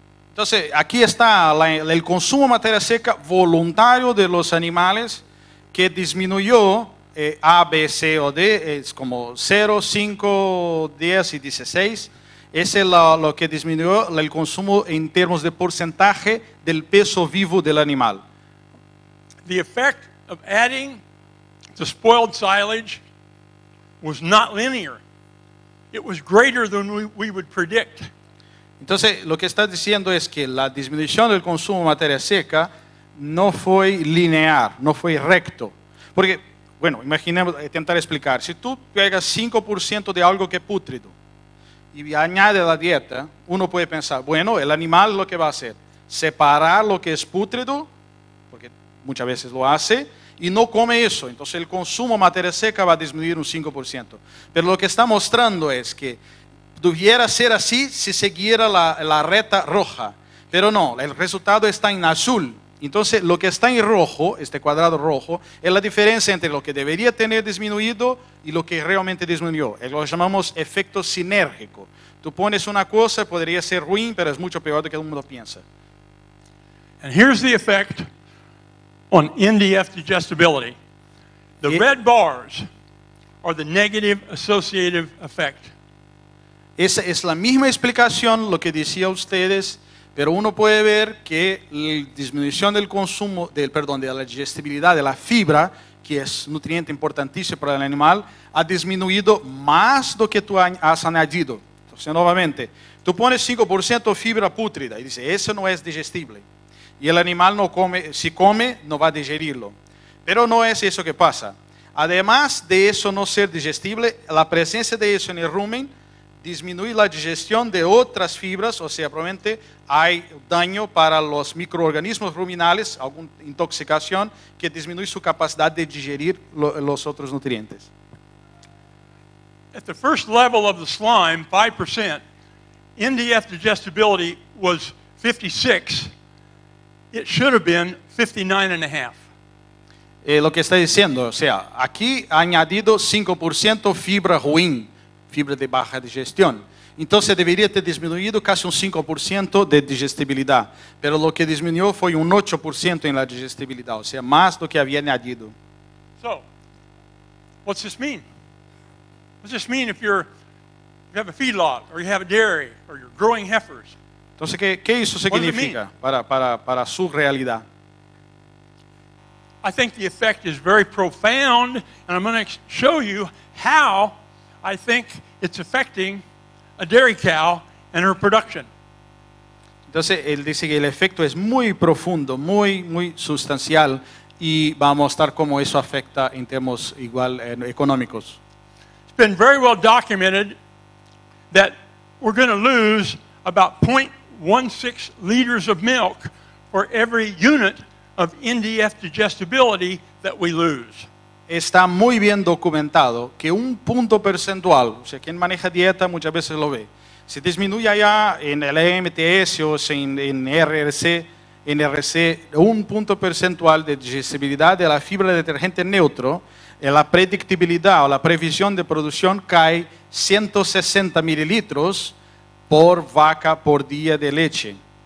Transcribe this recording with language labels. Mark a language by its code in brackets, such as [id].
[es] Entonces, aquí está el consumo de materia seca voluntario de los animales que disminuyó A, B, C o D, es como 0, 5, 10 y 16. Ese es lo que disminuyó el consumo en términos de porcentaje del peso vivo del animal. [en] The effect of adding the spoiled silage was not linear. It was greater than we would predict. [es] Entonces, lo que está diciendo es que la disminución del consumo de materia seca no fue lineal, no fue recto. Porque, bueno, imaginemos, intentar explicar. Si tú pegas 5% de algo que es pútrido y añades a la dieta, uno puede pensar, bueno, el animal lo que va a hacer, separar lo que es pútrido, porque muchas veces lo hace, y no come eso. Entonces, el consumo de materia seca va a disminuir un 5%. Pero lo que está mostrando es que debiera ser así si siguiera la reta roja. Pero no, el resultado está en azul. Entonces, lo que está en rojo, este cuadrado rojo, es la diferencia entre lo que debería tener disminuido y lo que realmente disminuyó. Lo llamamos efecto sinérgico. Tú pones una cosa, podría ser ruin, pero es mucho peor de lo que el mundo piensa. [en] And here's the effect on NDF digestibility. The red bars are the negative associative effect. [es] Esa es la misma explicación, lo que decía ustedes, pero uno puede ver que la disminución del consumo, de la digestibilidad de la fibra, que es nutriente importantísimo para el animal, ha disminuido más de lo que tú has añadido. Entonces, nuevamente, tú pones 5% fibra pútrida y dices, eso no es digestible. Y el animal no come, si come, no va a digerirlo. Pero no es eso que pasa. Además de eso no ser digestible, la presencia de eso en el rumen disminuye la digestión de otras fibras, o sea, probablemente hay daño para los microorganismos ruminales, alguna intoxicación, que disminuye su capacidad de digerir los otros nutrientes. [en] At the first level of the slime, 5%, NDF digestibility was 56. It should have been 59.5. [es] Lo que está diciendo, o sea, aquí ha añadido 5% fibra ruin, fibra de baja digestión. Entonces debería haber disminuido casi un 5% de digestibilidad. Pero lo que disminuyó fue un 8% en la digestibilidad, o sea, más de lo que había añadido. [en] So, what's this mean? What does this mean if you have a feedlot, or you have a dairy, or you're growing heifers? [es] Entonces, ¿qué eso significa para su realidad? [en] I think the effect is very profound, and I'm going to show you how I think it's affecting a dairy cow and her production. [es] Entonces, él dice que el efecto es muy profundo, muy, muy sustancial, y va a mostrar cómo eso afecta en términos igual económicos. [en] It's been very well documented that we're going to lose about 0.16 liters of milk for every unit of NDF digestibility that we lose. [es] Está muy bien documentado que un punto percentual, o sea, quien maneja dieta muchas veces lo ve, se disminuye allá en el EMTS o en NRC, un punto percentual de digestibilidad de la fibra de detergente neutro, en la predictibilidad o la previsión de producción cae 160 mililitros por vaca por día de leche.